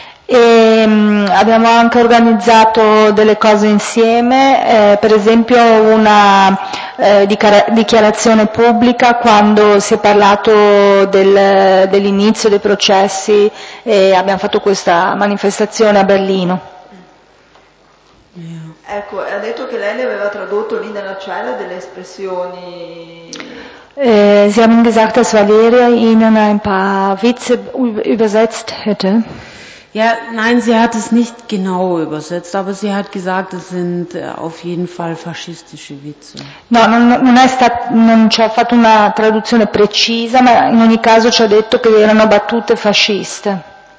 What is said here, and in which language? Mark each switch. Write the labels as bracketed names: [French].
[Italian] E abbiamo anche organizzato delle cose insieme, per esempio una dichiarazione pubblica quando si è parlato dell'inizio dei processi e abbiamo fatto questa manifestazione a Berlino. Yeah. Ecco, ha detto che lei le aveva tradotto lì nella cella delle espressioni... [German] Sie haben gesagt, dass Valeria Ihnen ein paar Witze übersetzt hätte. Ja, nein, sie hat es nicht genau übersetzt, aber sie hat gesagt, es sind auf jeden Fall faschistische Witze. [Italian] No, non ci ha fatto una traduzione precisa, ma in ogni caso ci ha detto che erano battute fasciste.